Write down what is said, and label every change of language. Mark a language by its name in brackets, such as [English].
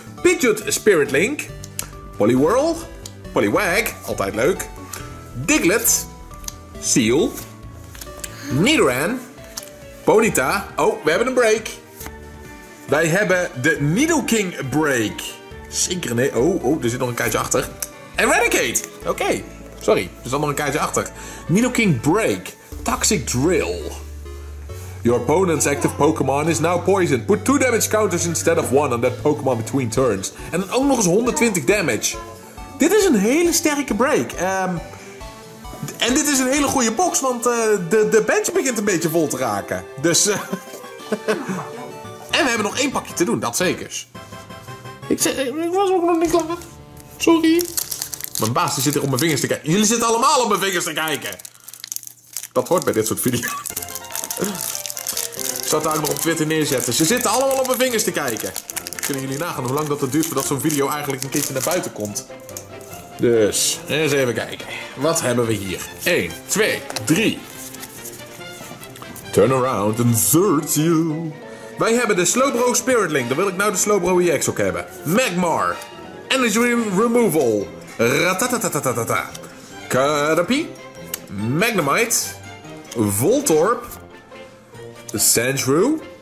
[Dutch] Pidgeot Spirit Link. Poliwhirl. Poliwag. Altijd leuk. Diglett. Seal. Nidoran. Ponyta. Oh, we hebben een break. Wij hebben de Nidoking break. Zeker nee. Oh, er zit nog een kaartje achter. Eradicate. Oké. Sorry, er zat nog een kaartje achter. Nidoking Break. Toxic Drill. [English] Your opponent's active Pokémon is now poisoned. Put 2 damage counters instead of 1 on that Pokémon between turns. [Dutch] En dan ook nog eens 120 damage. Dit is een hele sterke break. En dit is een hele goede box, want de bench begint een beetje vol te raken. Dus... En we hebben nog één pakje te doen, dat zeker. Ik was ook nog niet klaar. Sorry. Mijn baas zit er op mijn vingers te kijken. Jullie zitten allemaal op mijn vingers te kijken. Dat hoort bij dit soort video's. Ik zal het eigenlijk nog op Twitter neerzetten. Ze zitten allemaal op mijn vingers te kijken. Kunnen jullie nagaan hoe lang dat het duurt voordat zo'n video eigenlijk een keertje naar buiten komt? Dus, eens even kijken. Wat hebben we hier? 1, 2, 3. [English] Turn around and search you. [Dutch] Wij hebben de Slowbro Spirit Link. Dan wil ik nou de Slowbro EX ook hebben. Magmar. Energy Removal. Ratatatatatata. Caterpie. Magnemite. Voltorb. Sandshrew.